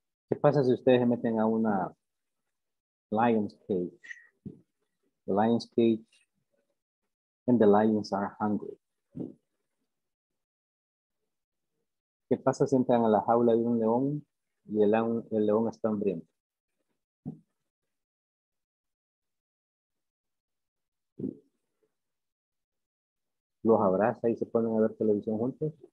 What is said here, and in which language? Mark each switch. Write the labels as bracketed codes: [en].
[es] ¿Qué pasa si ustedes se meten a una [en] lion's cage? The lion's cage and the lions are hungry. [es] ¿Qué pasa si entran a la jaula de un león y el león está hambriento? ¿Los abraza y se ponen a ver televisión juntos?